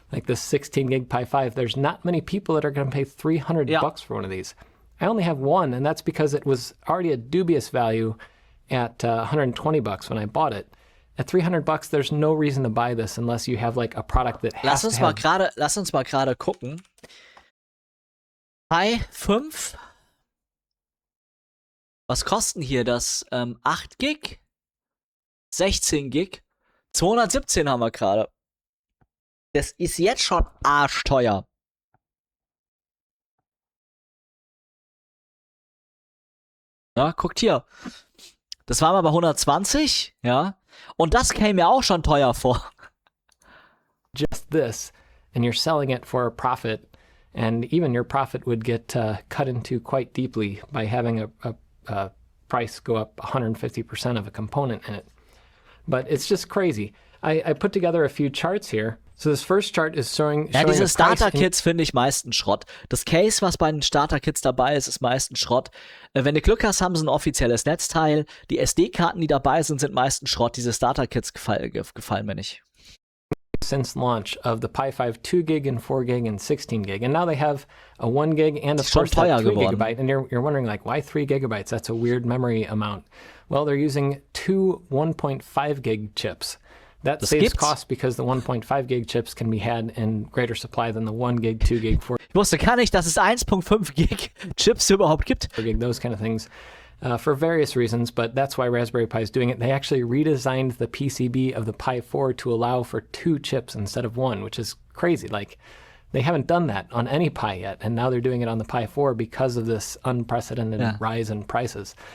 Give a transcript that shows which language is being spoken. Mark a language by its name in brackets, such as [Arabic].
[English] Like this 16 gig Pi 5, there's not many people that are going to pay $300 for one of these. I only have one, and that's because it was already a dubious value at $120 when I bought it. At $300, there's no reason to buy this unless you have like a product that has to have... [German] Lass uns mal gerade gucken. Pi 5? Was kosten hier das 8 gig? 16 gig? 217 haben wir gerade. Das ist jetzt schon arschteuer. Na, guckt hier. Das waren aber 120, ja. Und das käme mir auch schon teuer vor. [English] Just this, and you're selling it for a profit, and even your profit would get cut into quite deeply by having a price go up 150% of a component in it. But it's just crazy. I put together a few charts here. So this first chart is showing. [German] Ja, diese Starter-Kits finde ich meistens Schrott. Das Case, was bei den Starter-Kits dabei ist, ist meistens Schrott. Wenn du Glück hast, haben sie ein offizielles Netzteil. Die SD-Karten, die dabei sind, sind meistens Schrott. Diese Starter-Kits gefallen mir nicht. [English] Since launch of the Pi 5 2GB and 4GB and 16GB. And now they have a 1GB and of course 3GB. And you're wondering, like, why 3GB? That's a weird memory amount. Well, they're using two 1.5GB chips. That [German] das [English] saves [German] gibt's? [English] Cost because the 1.5GB chips can be had in greater supply than the 1GB, 2GB, 4GB. [German] Ich wusste gar nicht, dass es 1.5GB chips überhaupt gibt. [English] Those kind of things for various reasons, but that's why Raspberry Pi is doing it. They actually redesigned the PCB of the Pi 4 to allow for two chips instead of one, which is crazy. Like, they haven't done that on any Pi yet, and now they're doing it on the Pi 4 because of this unprecedented rise in prices.